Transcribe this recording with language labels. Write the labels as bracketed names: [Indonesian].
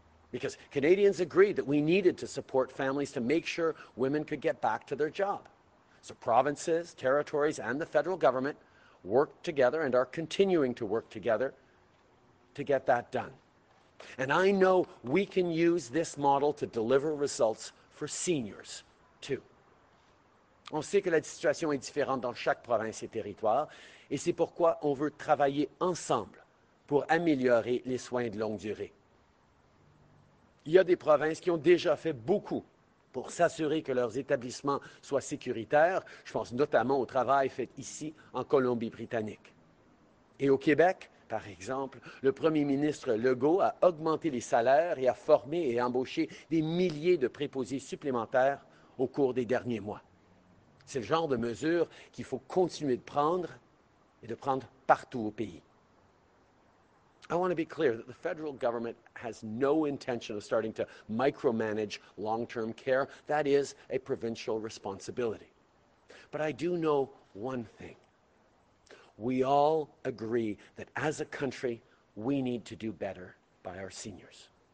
[English] Because Canadians agreed that we needed to support families to make sure women could get back to their job. So provinces, territories, and the federal government worked together and are continuing to work together to get that done. And I know we can use this model to deliver results for seniors, too. [French] On sait que la situation est différente dans chaque province et territoire, et c'est pourquoi on veut travailler ensemble pour améliorer les soins de longue durée. Il y a des provinces qui ont déjà fait beaucoup pour s'assurer que leurs établissements soient sécuritaires. Je pense notamment au travail fait ici en Colombie-Britannique. Et au Québec, par exemple, le premier ministre Legault a augmenté les salaires et a formé et embauché des milliers de préposés supplémentaires au cours des derniers mois. C'est le genre de mesures qu'il faut continuer de prendre et de prendre partout au pays. [English] I want to be clear that the federal government has no intention of starting to micromanage long-term care. That is a provincial responsibility. But I do know one thing. We all agree that as a country, we need to do better by our seniors.